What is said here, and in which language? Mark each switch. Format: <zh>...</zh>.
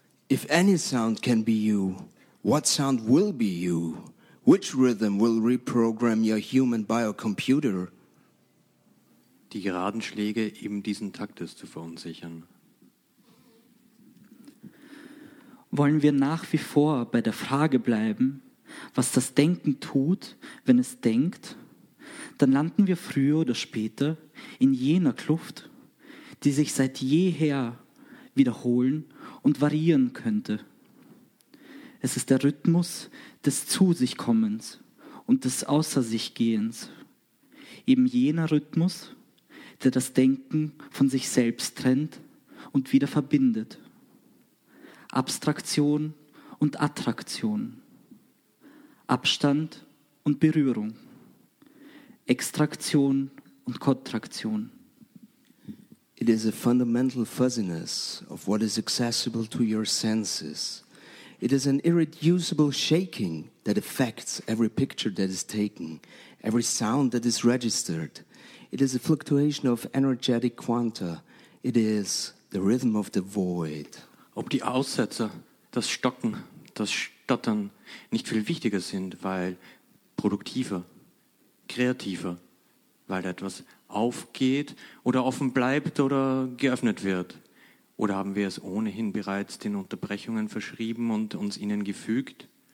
<en>If any sound can be you, what sound will be you? Which rhythm will reprogram your human biocomputer?</en> <de>Die geraden Schläge eben diesen Taktes zu verunsichern. Wollen wir nach wie vor bei der Frage bleiben, was das Denken tut, wenn es denkt? Dann landen wir früher oder später in jener Kluft, die sich seit jeher wiederholen und variieren könnte. Es ist der Rhythmus des Zu-sich-Kommens und des Außer-sich-Gehens. Eben jener Rhythmus, der das Denken von sich selbst trennt und wieder verbindet. Abstraktion und Attraktion. Abstand und Berührung. Extraktion und Kontraktion.</de> <en>It is a fundamental fuzziness of what is accessible to your senses. It is an irreducible shaking that affects every picture that is taken, every sound that is registered. It is a fluctuation of energetic quanta. It is the rhythm of the void.</en> <de>Ob die Aussetzer, das Stocken, das Stottern nicht viel wichtiger sind, weil produktiver, kreativer, weil etwas aufgeht oder offen bleibt oder geöffnet wird. Oder haben wir es ohnehin bereits den Unterbrechungen verschrieben und uns ihnen gefügt?</de>